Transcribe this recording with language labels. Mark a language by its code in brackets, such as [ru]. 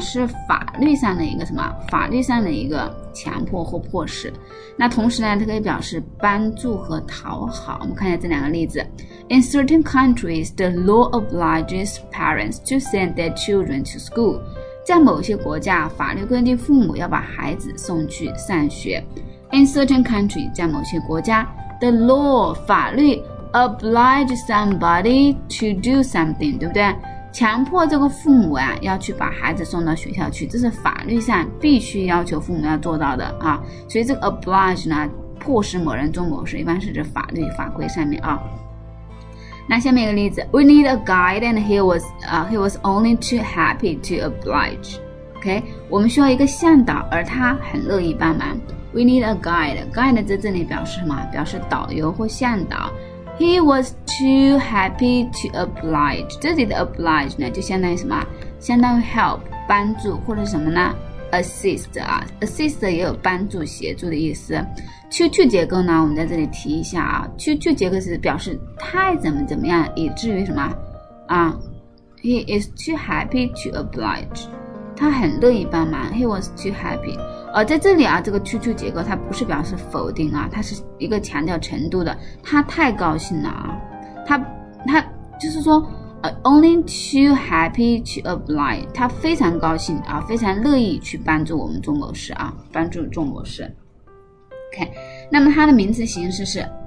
[zh] 是法律上的一个什么？法律上的一个强迫或迫使。那同时呢，它可以表示帮助和讨好。我们看一下这两个例子。 [en] In certain countries, the law obliges parents to send their children to school. [zh] 在某些国家，法律规定父母要把孩子送去上学。 [en] In certain countries, [zh] 在某些国家， [en] the law, [zh] 法律 [en] oblige somebody to do something， [zh] 对不对？强迫这个父母啊，要去把孩子送到学校去，这是法律上必须要求父母要做到的啊。所以这个 oblige 呢，迫使某人做某事，一般是指法律法规上面啊。那下面一个例子， [en] We need a guide and he was only too happy to oblige. [zh] OK， 我们需要一个向导，而他很乐意帮忙。 [en] We need a guide， guide [zh] 在这里表示什么？表示导游或向导。 [en] He was too happy to oblige. [zh] 这里的 oblige 呢，就相当于什么？相当于 help 帮助，或者什么呢？ assist 啊， assist 也有帮助、协助的意思。 to 结构呢，我们在这里提一下啊。to 结构是表示太怎么怎么样，以至于什么啊？ [en] He is too happy to oblige. [zh] 他很乐意帮忙。 [en] He was too happy. [zh] 在这里啊，这个 to 结构它不是表示否定啊，它是一个强调程度的，他太高兴了啊，他就是说 [en] only too happy to oblige， [zh] 他非常高兴啊，非常乐意去帮助我们做某事啊，帮助做某事。 OK， 那么它的名词形式是